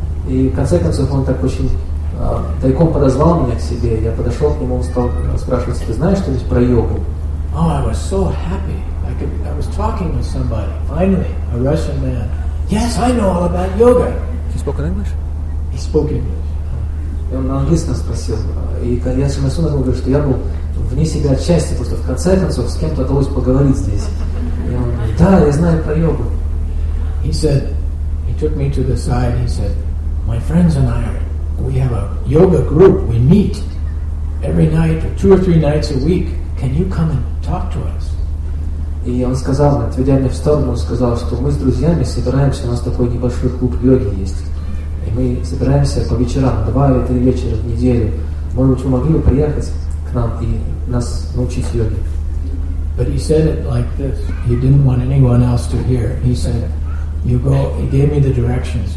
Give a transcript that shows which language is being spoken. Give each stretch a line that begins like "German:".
Russian: И в конце концов он так очень тайком подозвал меня к себе. Я подошел к нему, стал спрашивать, ты знаешь что-нибудь про йогу?
English: Oh, I was so happy. I was talking with somebody. Finally, a Russian man. Yes, I know all about yoga. He spoke in English? He spoke English.
Russian: И он на английском спросил. И я же на сунах говорю, что я был вне себя от счастья, потому что в конце концов с кем-то удалось поговорить здесь. И он говорит, да, я знаю про йогу.
English: He said, he took me to the side, he said, my friends and I, we have a yoga group, we meet every night, or 2 or 3 nights a week. Can you come and talk to us?
Russian: И он сказал, отведя меня в сторону, он сказал, что мы с друзьями собираемся, у нас такой небольшой клуб йоги есть. И мы собираемся по вечерам, два или три вечера в неделю. Может быть, вы могли бы приехать к нам и нас научить йоге?
English: But he said it like this. He didn't want anyone else to hear. He said, you go, he gave me the directions.